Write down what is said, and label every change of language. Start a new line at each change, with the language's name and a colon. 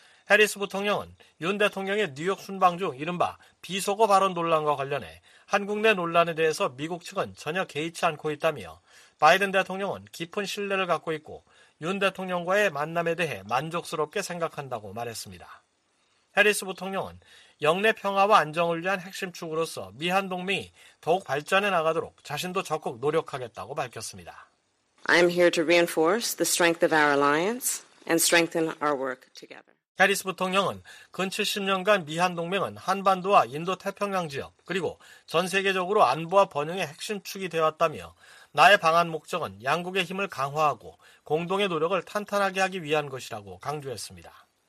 Korean: 해리스 부통령은 윤 대통령의 뉴욕 순방 중 이른바 비속어 발언 논란과 관련해 한국 내 논란에 대해서 미국 측은 전혀 개의치 않고 있다며 바이든 대통령은 깊은 신뢰를 갖고 있고 윤 대통령과의 만남에 대해 만족스럽게 생각한다고 말했습니다. 해리스 부통령은 영내 평화와 안정을 위한 핵심 축으로서 미한 동맹이 더욱 발전해 나가도록 자신도 적극 노력하겠다고 밝혔습니다.
English: I'm here to reinforce the strength of our alliance and strengthen our work together.
Korean: 해리스 부통령은 근 70년간 미한 동맹은 한반도와 인도 태평양 지역 그리고 전 세계적으로 안보와 번영의 핵심 축이 되었다며 나의 방한 목적은 양국의 힘을 강화하고 공동의 노력을 탄탄하게 하기 위한 것이라고 강조했습니다.